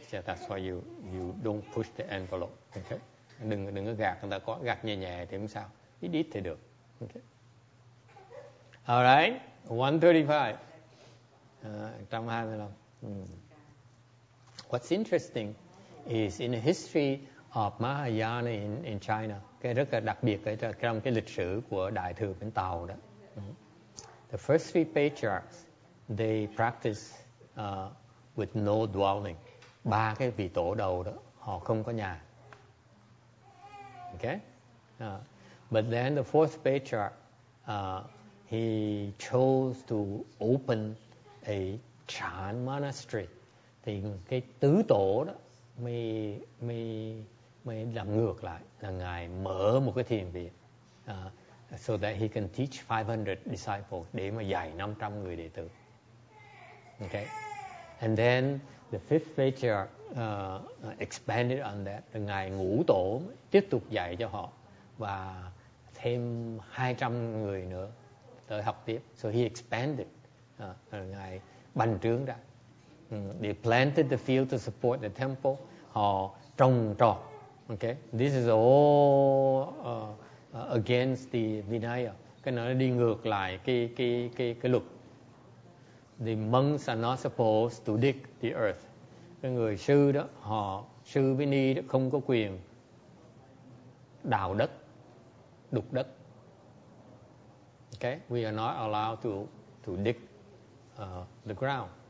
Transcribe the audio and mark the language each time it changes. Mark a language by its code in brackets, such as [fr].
[en] So that's why you don't push the envelope. Okay? [vi] Đừng có gạt, người ta có gạt nhẹ nhẹ thì không sao. Ít ít thì được. Okay. All right. 135. [en] 125. What's interesting is in the history of Mahayana in China, [vi] cái rất là đặc biệt cái trong cái lịch sử của Đại thừa bên Tàu đó. [en] The first three patriarchs, they practice with no dwelling. [vi] Ba cái vị tổ đầu đó, họ không có nhà. Okay? [en] But then the fourth patriarch, he chose to open a Chan monastery. [vi] Thì cái tứ tổ đó mới làm ngược lại, là ngài mở một cái thiền viện, [en] so that he can teach 500 disciples, [vi] để mà dạy 500 người đệ tử. [en] Okay. And then the fifth patriarch expanded on that. [vi] Là ngài Ngũ Tổ tiếp tục dạy cho họ và thêm 200 người nữa tới học tiếp. [en] So he expanded. [vi] Ngài bành trướng ra. [en] They planted the field to support the temple. [vi] Họ trồng trọt. [en] Okay. This is all against the Vinaya. [vi] Cái nó đi ngược lại cái luật. [en] The monks are not supposed to dig the earth. [vi] Cái người sư đó, họ sư với ni đó không có quyền đào đất, đục đất. [en] Okay, we are not allowed to dig the ground.